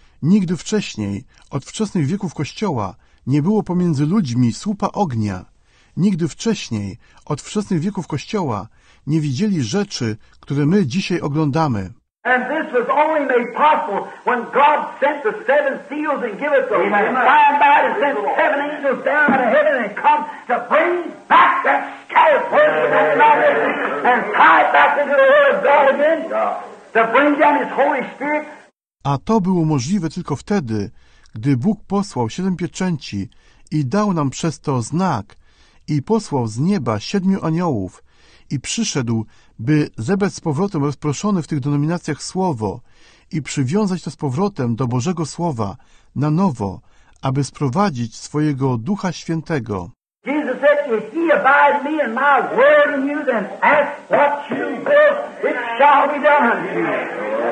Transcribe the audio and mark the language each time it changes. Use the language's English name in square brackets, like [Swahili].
[Polish] Nigdy wcześniej, od wczesnych wieków Kościoła, nie było pomiędzy ludźmi słupa ognia. Nigdy wcześniej, od wczesnych wieków Kościoła, nie widzieli rzeczy, które my dzisiaj oglądamy. [English] And this was only made possible when God sent the seven seals and give us the sign by to send seven angels down out of heaven and come to bring back that scattered person that's not there and tie it back into the word of God again to bring down his Holy Spirit. [Polish] A to było możliwe tylko wtedy, gdy Bóg posłał siedem pieczęci i dał nam przez to znak i posłał z nieba siedmiu aniołów i przyszedł, by zebrać z powrotem rozproszone w tych denominacjach słowo i przywiązać to z powrotem do Bożego Słowa na nowo, aby sprowadzić swojego Ducha Świętego. [English] Jesus said, if ye abide me and my word in you, then ask what you will, it shall be done unto you.